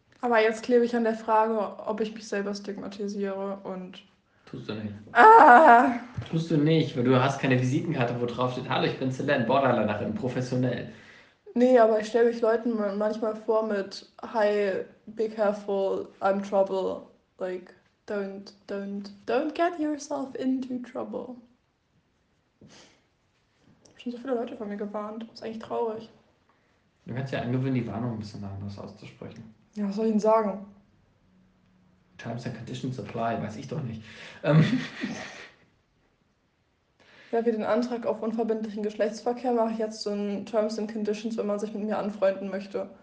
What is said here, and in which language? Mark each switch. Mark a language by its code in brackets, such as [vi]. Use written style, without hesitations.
[de] Aber jetzt klebe ich an der Frage, ob ich mich selber stigmatisiere und... Tust du nicht. Ah! Tust du nicht, weil du hast keine Visitenkarte, wo drauf steht, hallo, ich bin Celine, Borderlinerin, professionell. Nee, aber ich stelle mich Leuten manchmal vor mit [en] Hi, be careful, I'm trouble. Like, don't get yourself into trouble. [de] Schon so viele Leute von mir gewarnt. Ist eigentlich traurig. Du kannst ja angewöhnen, die Warnung ein bisschen anders auszusprechen. Ja, was soll ich denn sagen? [en] Terms and conditions apply, [de] weiß ich doch nicht. Ja, wie den Antrag auf unverbindlichen Geschlechtsverkehr mache ich jetzt so in Terms and Conditions, wenn man sich mit mir anfreunden möchte.